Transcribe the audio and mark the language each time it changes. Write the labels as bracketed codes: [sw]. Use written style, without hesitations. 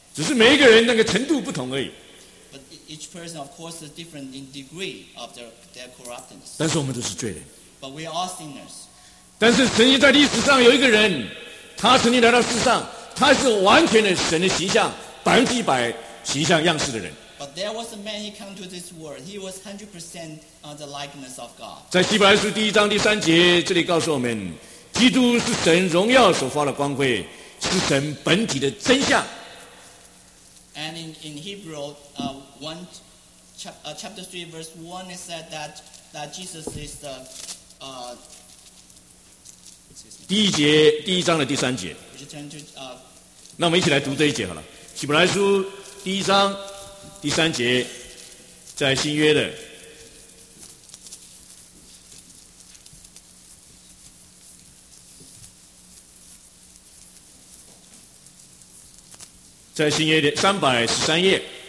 [zh] 只是每一个人那个程度不同而已。 [en] But each person, of course, is different in degree of their corruptness. [zh] 但是我们都是罪人。 [en] But we are all sinners. [zh] 但是曾经在历史上有一个人，他曾经来到世上，他是完全的神的形象，百分之百形象样式的人。 [en] But there was a man who came to this world. He was 100% of the likeness of God. [zh] 在希伯来书第一章第三节，这里告诉我们，基督是神荣耀所发的光辉，是神本体的真相。 [en] And in Hebrew, chapter 3, verse 1, it said that Jesus is the. [zh] 第一节第一章的第三节。那我们一起来读这一节好了，希伯来书第一章。第三节，在新约的，在新约的313页。